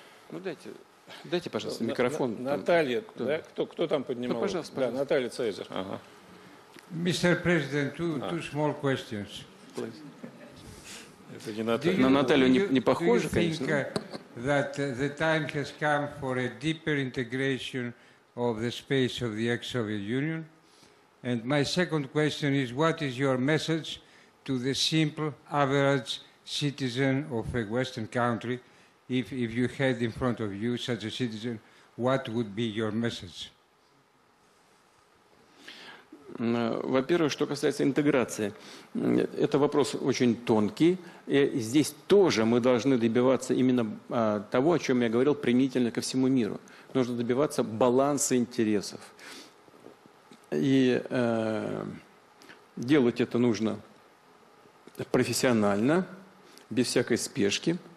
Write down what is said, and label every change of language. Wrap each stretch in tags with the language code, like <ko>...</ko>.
<ru>Ну, дайте, пожалуйста, микрофон. Наталья, кто? Да? Кто там поднимал? Да, пожалуйста, пожалуйста. Да, Наталья Цезарь.</ru> <en>Ага. Mr. President, two small questions.</en> <ru>Это не Наталья. На Наталью не похоже, конечно.</ru> <en>Do you think that the time has come for a deeper integration of the space of the ex-Soviet Union? And my second question is, what is your message to the simple, average citizen of a Western country? If you had in front of you such a citizen, what would be your message?</en> <ru>Во-первых, что касается интеграции, это вопрос очень тонкий. И здесь тоже мы должны добиваться именно того, о чем я говорил, применительно ко всему миру. Нужно добиваться баланса интересов. И делать это нужно профессионально, без всякой спешки.</ru>